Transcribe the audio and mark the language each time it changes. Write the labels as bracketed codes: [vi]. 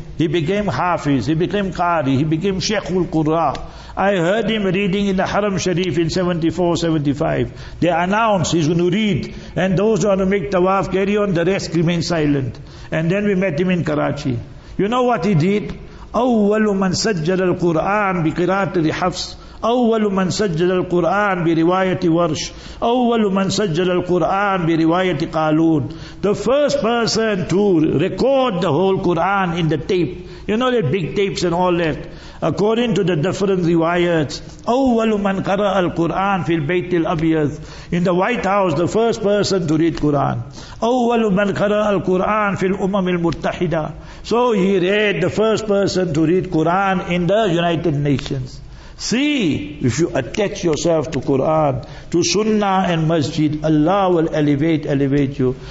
[en] He became Hafiz. He became Qari. He became Sheikhul Qurra. I heard him reading in the Haram Sharif in 74, 75. They announced he's going to read. And those who want to make tawaf, carry on. The rest remain silent. And then we met him in Karachi. You know what he did? [ar] أول من سجل القرآن بقراءة لحفص أول من سجل القرآن برواية ورش أول من سجل القرآن برواية قالون. [en] The first person to record the whole Quran in the tape, you know, the big tapes and all that, according to the different riwayats. [ar] أول من قرأ القرآن في البيت الأبيض, [en] in the White House, the first person to read Quran. [ar] أول من قرأ القرآن في الأمم المتحدة. [en] So he read, the first person to read Quran in the United Nations. See, if you attach yourself to Quran, to Sunnah and Masjid, Allah will elevate you.